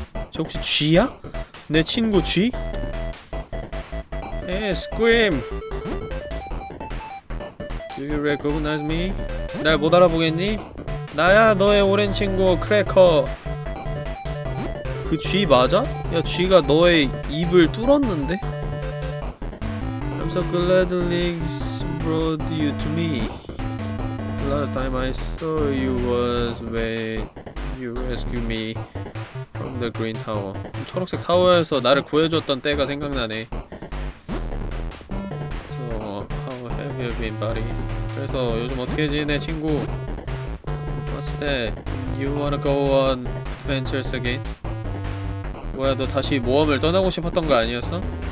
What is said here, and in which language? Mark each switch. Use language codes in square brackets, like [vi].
[ko] 저 혹시 쥐야? 내 친구 쥐? 에이 스크림. [en] Do you recognize me? [ko] 날 못 알아보겠니? 나야 너의 오랜 친구 크래커. 그 쥐 맞아? 야 쥐가 너의 입을 뚫었는데? [en] I'm so glad Links brought you to me. Last time I saw you was when you rescued me from the green tower. [ko] 초록색 타워에서 나를 구해줬던 때가 생각나네. [en] So how have you been, buddy? [ko] 그래서 요즘 어떻게 지내, 친구? [en] What's that? You wanna go on adventures again? [ko] 뭐야, 너 다시 모험을 떠나고 싶었던 거 아니었어?